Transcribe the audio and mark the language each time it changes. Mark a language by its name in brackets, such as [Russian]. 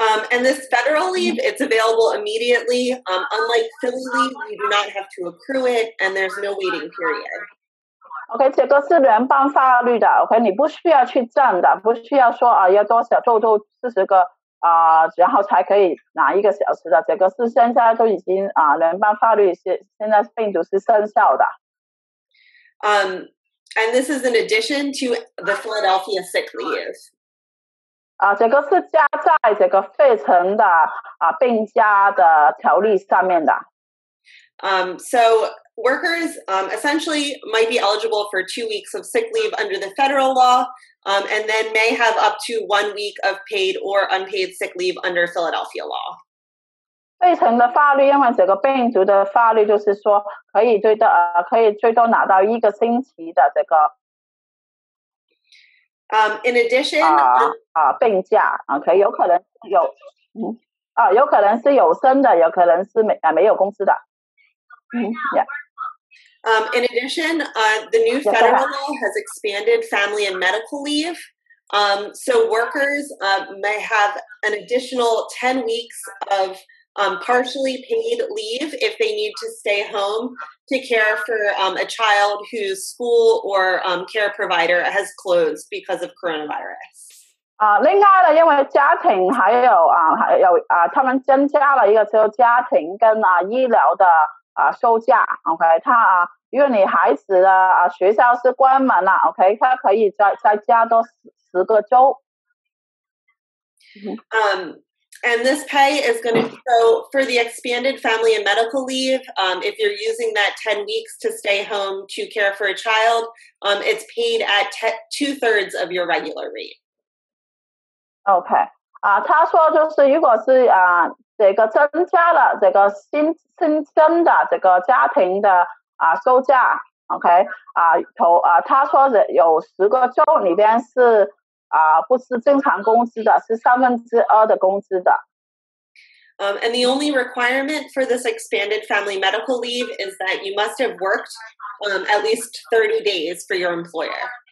[English] And this federal leave, it's available immediately. Unlike Philly leave, you do not have to accrue it, and there's no waiting period. [Chinese] Okay, 这个是联邦法律的 ，Okay， 你不需要去站的，不需要说啊要多少做40个啊，然后才可以拿一个小时的。这个是现在都已经啊，联邦法律是现在病毒是生效的。 [English] And this is in addition to the Philadelphia sick leave. [Chinese] 这个是加在这个费城的病假的条例上面的。 [English] So workers essentially might be eligible for 2 weeks of sick leave under the federal law, and then may have up to 1 week of paid or unpaid sick leave under Philadelphia law. [Chinese] 费城的法律，因为这个病毒的法律就是说可以最多可以最多拿到一个星期的这个。 [English] In addition, [Chinese] 病假啊，可以有可能有，有可能是有薪的，有可能是没有工资的。 [English] In addition, the new federal law has expanded family and medical leave. So workers may have an additional 10 weeks of partially paid leave if they need to stay home to care for a child whose school or care provider has closed because of coronavirus. [Chinese] 另外呢，因为家庭还有他们增加了一个就家庭跟医疗的休假。 OK， 他因为你孩子的学校是关门了 ，OK， 他可以再加多10个周。 [English] And this pay is going to go for the expanded family and medical leave. If you're using that 10 weeks to stay home to care for a child, it's paid at two-thirds of your regular rate. Okay. [Chinese] 他说就是如果是这个增加了这个新增的这个家庭的收假 okay, 他说有十个周里边是不是正常工资的，是三分之二的工资的。 [English] And the only requirement for this expanded family medical leave is that you must have worked at least 30 days for your employer.